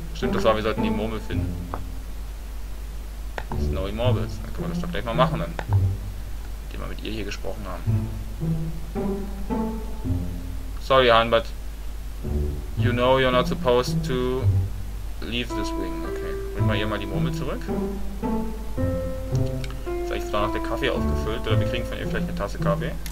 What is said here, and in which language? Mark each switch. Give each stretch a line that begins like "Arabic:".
German: Stimmt, das war, wir sollten die Murmel finden. Snowy Marbles. Dann können wir das doch gleich mal machen, dann. Nachdem wir mit ihr hier gesprochen haben.
English: Sorry, Han, but you know you're not supposed to leave this wing.
German: Okay. Bring mal hier mal die Murmel zurück. Vielleicht ist danach der Kaffee aufgefüllt oder wir kriegen von ihr vielleicht eine Tasse Kaffee.